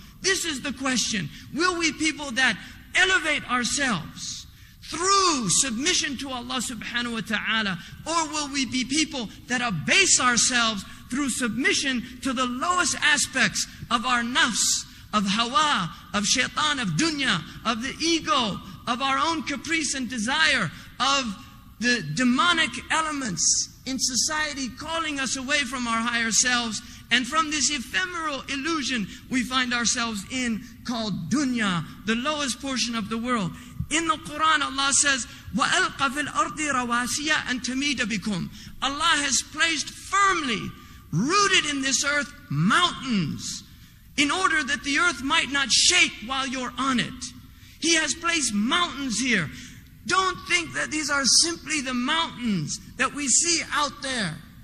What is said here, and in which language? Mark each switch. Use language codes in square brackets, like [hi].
[en] This is the question. Will we people that elevate ourselves through submission to Allah subhanahu wa ta'ala, or will we be people that abase ourselves through submission to the lowest aspects of our nafs, of hawa, of shaitan, of dunya, of the ego, of our own caprice and desire, of the demonic elements in society calling us away from our higher selves and from this ephemeral illusion we find ourselves in called dunya, the lowest portion of the world. In the Quran, Allah says, [ar] وَأَلْقَ فِي الْأَرْضِ رَوَاسِيَ أَن تَمِيدَ بِكُمْ. [en] Allah has placed firmly, rooted in this earth, mountains, in order that the earth might not shake while you're on it. He has placed mountains here. Don't think that these are simply the mountains that we see out there.